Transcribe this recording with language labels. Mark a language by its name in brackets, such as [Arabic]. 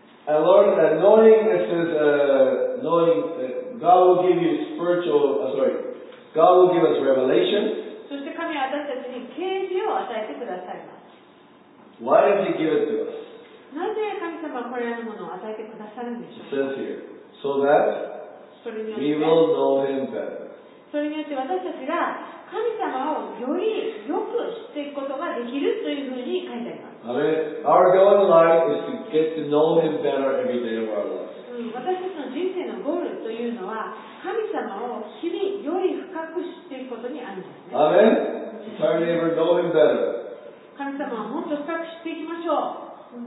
[English] And Lord, anointing, it says, anointing, God will give you spiritual, God will give us revelation. [Japanese] そして神は私たちに啓示を与えてくださいます。 [English] Why did he give it to us? [Japanese] なぜ神様はこれらのものを与えてくださるんでしょうか? [English] It says here, so that we will know him better. [Japanese] それによって私たちが神様をよりよく知っていくことができるというふうに書いてあります。 [English] I mean, our goal in life is to get to know Him better every day of our lives. [Japanese] 私たちの人生のゴールというのは、神様を日々より深く知っていくことにあるんですね。 [English] Amen. Our neighbor, know Him better. [Japanese] 神様をもっと深く知っていきましょう。